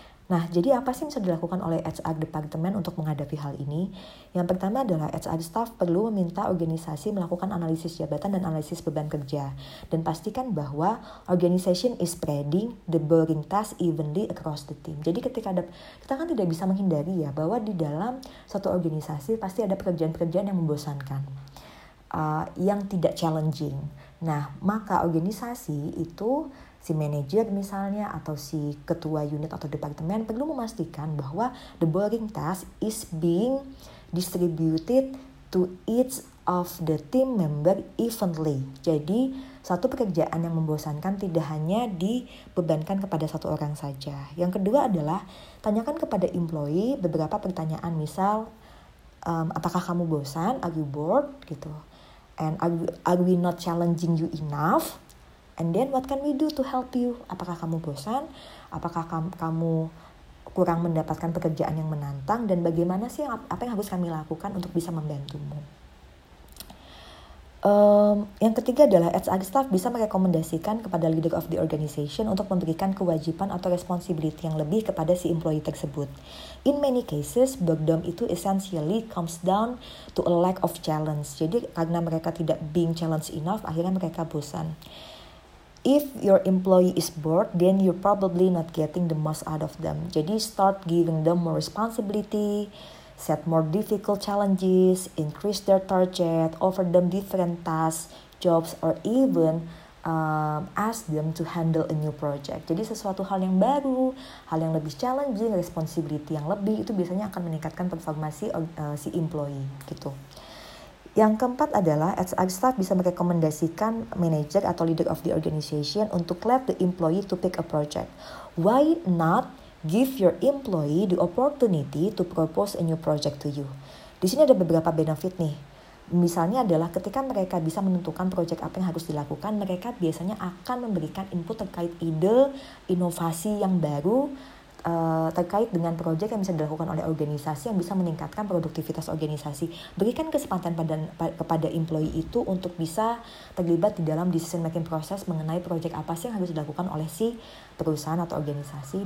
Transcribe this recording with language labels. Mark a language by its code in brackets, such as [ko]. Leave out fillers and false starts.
[id] Nah, jadi apa sih yang bisa dilakukan oleh HR Department untuk menghadapi hal ini? Yang pertama adalah HR staff perlu meminta organisasi melakukan analisis jabatan dan analisis beban kerja. Dan pastikan bahwa [en] organization is spreading the boring task evenly across the team. [id] Jadi ketika ada, kita kan tidak bisa menghindari ya bahwa di dalam suatu organisasi pasti ada pekerjaan-pekerjaan yang membosankan, yang tidak challenging. Nah, maka organisasi itu, si manajer misalnya atau si ketua unit atau departemen perlu memastikan bahwa [en] the boring task is being distributed to each of the team member evenly. [id] Jadi, satu pekerjaan yang membosankan tidak hanya dibebankan kepada satu orang saja. Yang kedua adalah tanyakan kepada employee beberapa pertanyaan, misal apakah kamu bosan? [en] Are you bored? [id] Gitu. [en] And are we not challenging you enough? And then what can we do to help you? [id] Apakah kamu bosan? Apakah kamu kurang mendapatkan pekerjaan yang menantang? Dan bagaimana sih apa yang harus kami lakukan untuk bisa membantumu? Yang ketiga adalah HR staff bisa merekomendasikan kepada [en] leader of the organization [id] untuk memberikan kewajiban atau responsibility yang lebih kepada si employee tersebut. [en] In many cases, boredom [id] itu [en] essentially comes down to a lack of challenge. [id] Jadi karena mereka tidak [en] being challenged enough, [id] akhirnya mereka bosan. [en] If your employee is bored, then you're probably not getting the most out of them. [id] Jadi [en] start giving them more responsibility, set more difficult challenges, increase their target, offer them different tasks, jobs, or even ask them to handle a new project. [id] Jadi sesuatu hal yang baru, hal yang lebih challenging, responsibility yang lebih, itu biasanya akan meningkatkan performa si employee gitu. Yang keempat adalah HR staff bisa merekomendasikan manager atau [en] leader of the organization [id] untuk [en] let the employee to pick a project. Why not give your employee the opportunity to propose a new project to you? [id] Di sini ada beberapa benefit nih. Misalnya adalah ketika mereka bisa menentukan proyek apa yang harus dilakukan, mereka biasanya akan memberikan input terkait ide, inovasi yang baru, terkait dengan proyek yang bisa dilakukan oleh organisasi yang bisa meningkatkan produktivitas organisasi. Berikan kesempatan kepada employee itu untuk bisa terlibat di dalam decision making proses mengenai proyek apa sih yang harus dilakukan oleh si perusahaan atau organisasi.